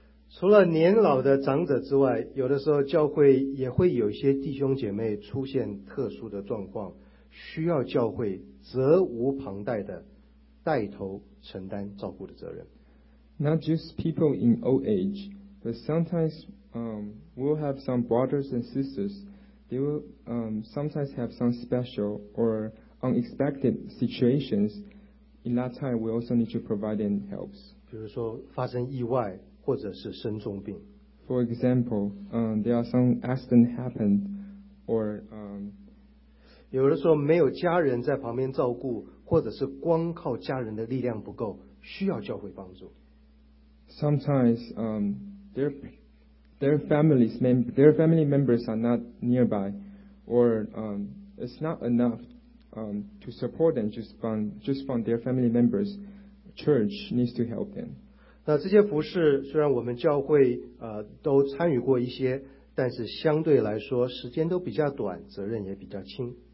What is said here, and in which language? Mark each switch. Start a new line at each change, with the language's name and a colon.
Chinese: 除了年老的长者之外，有的时候教会也会有些弟兄姐妹出现特殊的状况，需要教会责无旁贷的带头承担照顾的责任。
English: Not just people in old age, but sometimes we'll have some brothers and sisters. They will sometimes have some special or unexpected situations. In that time, we also need to provide them help.
Chinese: 比如说发生意外或者是生重病。
English: For example, there are some accident happened or
Chinese: 有的时候没有家人在旁边照顾，或者是光靠家人的力量不够，需要教会帮助。
English: Sometimes their family members are not nearby, or it's not enough to support them just from their family members. Church needs to help them.
Chinese: 那这些服事虽然我们教会都参与过一些，但是相对来说时间都比较短，责任也比较轻。